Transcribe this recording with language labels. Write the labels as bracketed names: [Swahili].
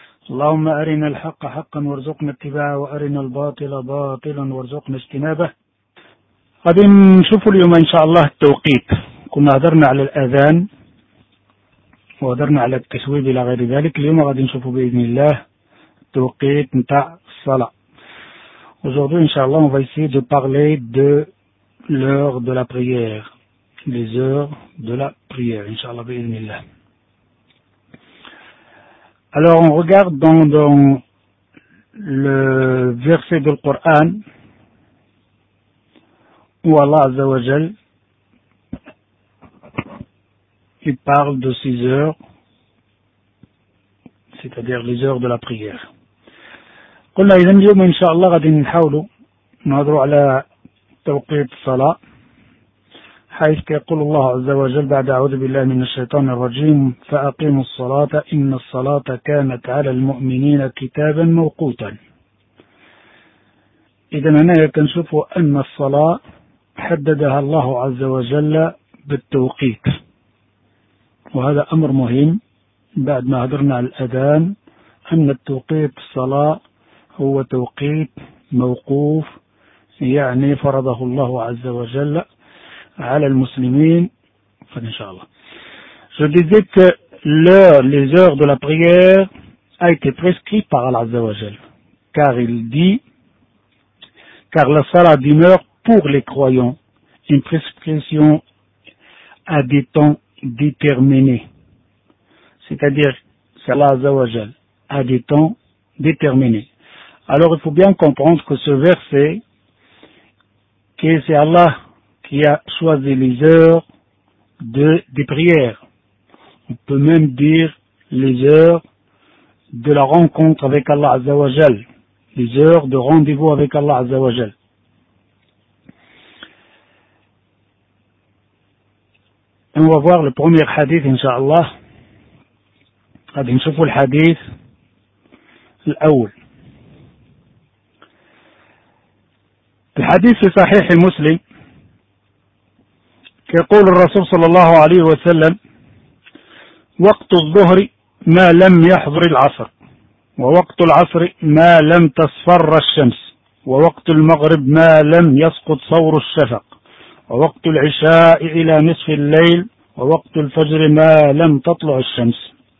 [Arabic] اللهم أرنا الحق حقا وارزقنا اتباعه، وأرنا الباطل باطلا وارزقنا اجتنابه. غادي نشوفوا اليوم إن شاء الله التوقيت. كنا هضرنا على الأذان وهضرنا على التشويب إلى غير ذلك. اليوم غادي نشوفوا بإذن الله التوقيت نتاع الصلاة. [French] aujourd'hui inshallah on va essayer de parler de l'heure de la prière, les heures de la prière inshallah [Arabic] بإذن الله. [French] alors on regarde dans le verset du Coran où Allah Azza wa Jal il parle de 6 heures, c'est-à-dire les heures de la prière. [Arabic] قلنا اذا اليوم ان شاء الله غادي نحاولوا نهضروا على توقيت الصلاه، حيث يقول الله عز وجل بعد اعوذ بالله من الشيطان الرجيم فاقيموا الصلاه ان الصلاه كانت على المؤمنين كتابا موقوتا. اذا هنا كنشوفوا ان الصلاه حددها الله عز وجل بالتوقيت، وهذا أمر مهم بعد ما هضرنا على الأذان أن التوقيت الصلاة هو توقيت موقوف، يعني فرضه الله عز وجل على المسلمين. فإن شاء الله [French] je disais que l'heure, les heures de la prière a été prescrite par Allah عز وجل car il dit car la salah demeure pour les croyants une prescription à des temps déterminé. C'est-à-dire, Allah Azza wa Jal a des temps déterminés. Alors, il faut bien comprendre que ce verset, que c'est Allah qui a choisi les heures des prières. On peut même dire les heures de la rencontre avec Allah Azza wa Jal, les heures de rendez-vous avec Allah Azza wa Jal. On va voir le premier hadith, inshallah. [Arabic] غادي نشوفوا الحديث الأول. الحديث في صحيح مسلم. يقول الرسول صلى الله عليه وسلم: وقت الظهر ما لم يحضر العصر، ووقت العصر ما لم تصفر الشمس، ووقت المغرب ما لم يسقط ثور الشفق، ووقت العشاء إلى نصف الليل، ووقت الفجر ما لم تطلع الشمس.